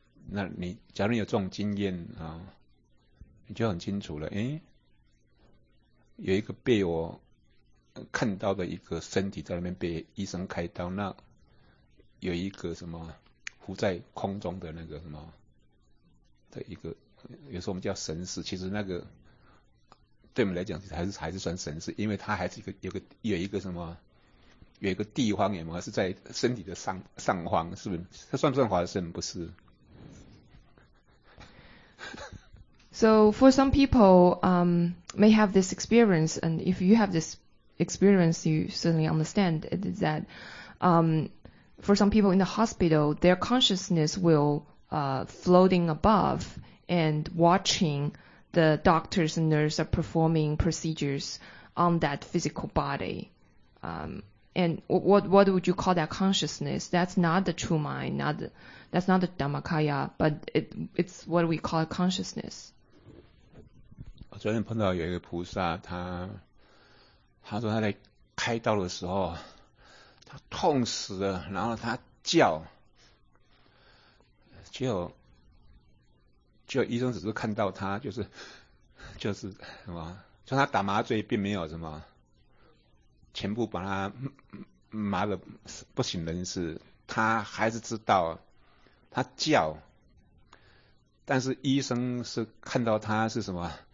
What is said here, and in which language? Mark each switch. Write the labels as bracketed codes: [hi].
[zh] 那你假如你有这种经验啊，你就很清楚了。哎，有一个被我看到的一个身体在那边被医生开刀，那有一个什么浮在空中的那个什么的一个，有时候我们叫神识，其实那个。对我们来讲还是算神识，因为它还是有一个什么，有一个地方也是在身体的上方，是不是？它算不算法身？不是。 [en] So for some people, may have this experience, and if you have this experience, you certainly understand it, that, for some people in the hospital, their consciousness will floating above and watching. The doctors and nurses are performing procedures on that physical body. And what would you call that consciousness? That's not the true mind, that's not the Dhammakaya, but it's what we call consciousness. [zh] 我昨天碰到有一个菩萨，他说他在开刀的时候，他痛死了，然后他叫，就医生只是看到他就是什么，就他打麻醉并没有什么全部把他麻得不省人事，他还是知道他叫，但是医生是看到他是什么，